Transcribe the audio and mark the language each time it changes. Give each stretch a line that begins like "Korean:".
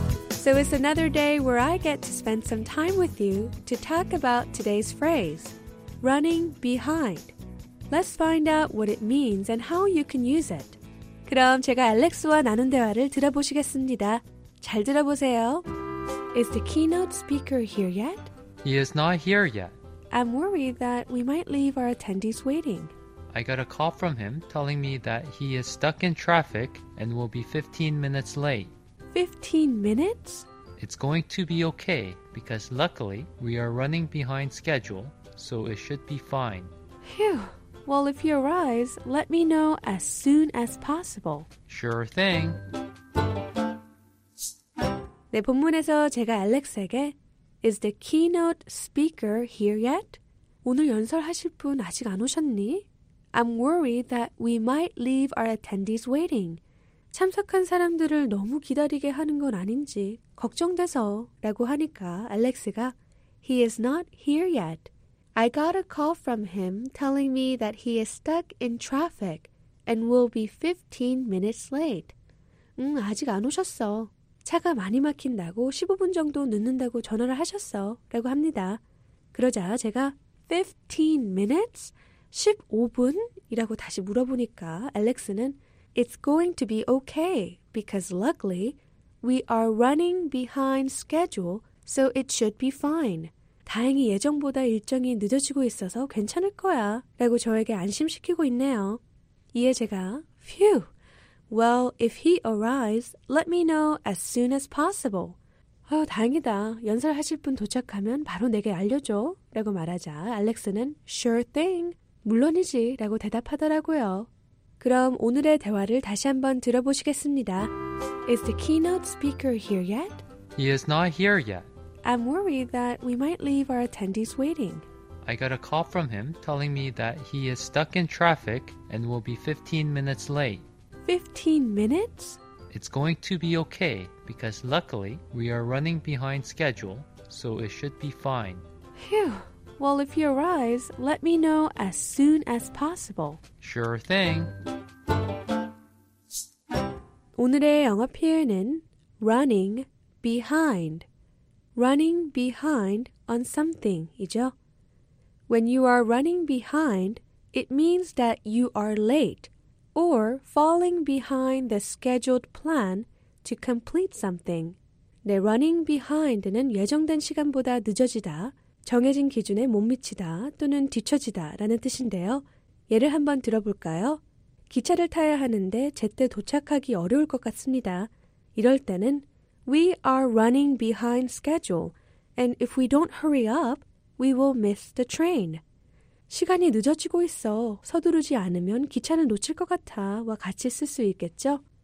English: So it's another day where I get to spend some time with you to talk about today's phrase, running behind. Let's find out what it means and how you can use it.
Korean: 그럼 제가 알렉스와 나눈 대화를 들어보시겠습니다. 잘 들어보세요.
English: Is the keynote speaker here yet? He is not here yet. I'm worried that we might leave our attendees waiting. I got a call from him telling me that he is stuck in traffic and will be 15 minutes late. 15 minutes? It's going to be okay because luckily we are running behind schedule, so it should be fine. Phew. Well, if he arrives, let me know as soon as possible. Sure thing.
Korean: 네, 본문에서 제가 알렉스에게
English: Is the keynote speaker here yet?
Korean: 오늘 연설하실 분 아직 안 오셨니?
English: I'm worried that we might leave our attendees waiting.
Korean: 참석한 사람들을 너무 기다리게 하는 건 아닌지 걱정돼서 라고 하니까 알렉스가
English: He is not here yet. I got a call from him telling me that he is stuck in traffic and will be 15 minutes late.
Korean: 아직 안 오셨어. 차가 많이 막힌다고 15분 정도 늦는다고 전화를 하셨어 라고 합니다. 그러자 제가
English: 15 minutes?
Korean: 15분이라고 다시 물어보니까 엘렉스는
English: It's going to be okay because luckily we are running behind schedule so it should be fine.
Korean: 다행히 예정보다 일정이 늦어지고 있어서 괜찮을 거야 라고 저에게 안심시키고 있네요.
English: 이에 제가 Phew! Well, if he arrives, let me know as soon as possible.
Korean: 아유, 다행이다. 연설하실 분 도착하면 바로 내게 알려줘 라고 말하자 알렉스는
English: Sure thing!
Korean: 물론이지 라고 대답하더라고요. 그럼 오늘의 대화를 다시 한번 들어보시겠습니다.
English: Is the keynote speaker here yet? He is not here yet. I'm worried that we might leave our attendees waiting. I got a call from him telling me that he is stuck in traffic and will be 15 minutes late. 15 minutes? It's going to be okay because luckily we are running behind schedule, so it should be fine. Phew. Well, if he arrives, let me know as soon as possible. Sure thing.
Korean: 오늘의 영어 표현은 running behind.
English: Running behind on something이죠. When you are running behind, it means that you are late or falling behind the scheduled plan to complete something.
Korean: 네, running behind는 예정된 시간보다 늦어지다, 정해진 기준에 못 미치다 또는 뒤처지다 라는 뜻인데요. 예를 한번 들어볼까요? 기차를 타야 하는데 제때 도착하기 어려울 것 같습니다. 이럴 때는
English: We are running behind schedule, and if we don't hurry up, we will miss the train.
Korean: 시간이 늦어지고 있어. 서두르지 않으면 기차는 놓칠 것 같아 와 같이 쓸 수 있겠죠?